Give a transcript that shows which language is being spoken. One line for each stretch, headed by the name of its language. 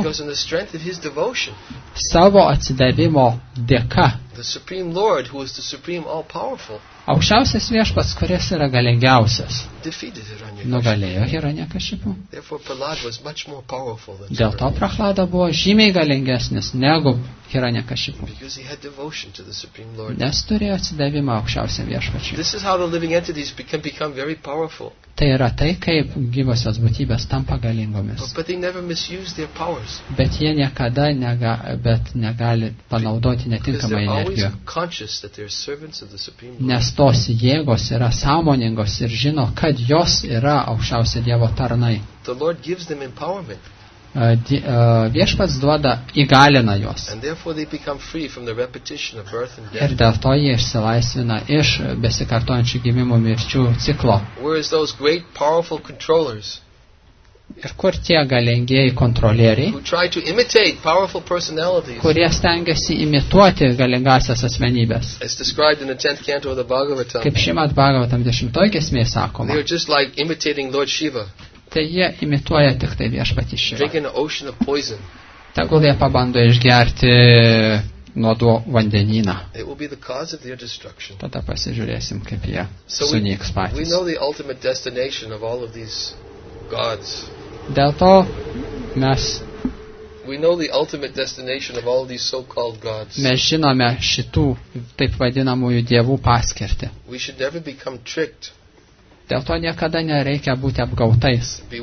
English: Because in the strength of his devotion.
Lithuanian: Savo atsidavimo dėka.
English: The Supreme Lord, who is the Supreme All-Powerful.
Lithuanian: Aukščiausias viešpats, kuris yra galingiausias.
English: Defeated Hiranyakashipu.
Lithuanian: Nugalėjo Hiranyakashipu.
English: Therefore, Prahlad was much more powerful than.
Lithuanian: Dėl to Prahlada buvo žymiai galingesnis negu Hiranyakashipu.
English: Because he had devotion to the Supreme Lord.
Lithuanian: Nes turėjo atsidavimą aukščiausiam viešpačiui.
English: This is how the living entities can become very powerful.
Lithuanian: Tai yra tai, kaip gyvosios būtybės tampa galingomis.
English: But they never misuse their powers.
Lithuanian: Bet jie niekada negali panaudoti netinkamą energiją.
English: Conscious that they are servants of the Supreme Lord.
Lithuanian: Nes tos jėgos yra sąmoningos ir žino, kad jos yra aukščiausi Dievo tarnai.
English: The Lord gives them empowerment.
Lithuanian: Viešpats duoda, įgalina juos.
English: And therefore they become free from the repetition of birth and death.
Lithuanian: Ir dėl to jie išsilaisvina iš besikartojančių gimimų mirčių ciklo.
English: Whereas those great powerful controllers.
Lithuanian: Ir kur tie galingieji kontrolieriai,
English: who try to imitate powerful personalities,
Lithuanian: kurie stengiasi imituoti galingasias asmenybės.
English: As described in the 10th canto of the Bhagavatam.
Lithuanian: Kaip Šrimad Bhagavatam 10 giesmėje sakoma.
English: They are just like imitating Lord Shiva.
Lithuanian: Tai jie imituoja tik tai viešpatį Šivą. Tegul jie pabando išgerti nuodų vandenyną. Tada pasižiūrėsim, kaip jie sunyks patys. Dėl to mes.
English: We know the ultimate destination of all these so-called gods.
Lithuanian: Mes žinome šitų taip vadinamųjų dievų paskirtį.
English: We should never become tricked.
Lithuanian: Dėl to niekada nereikia būti apgautais.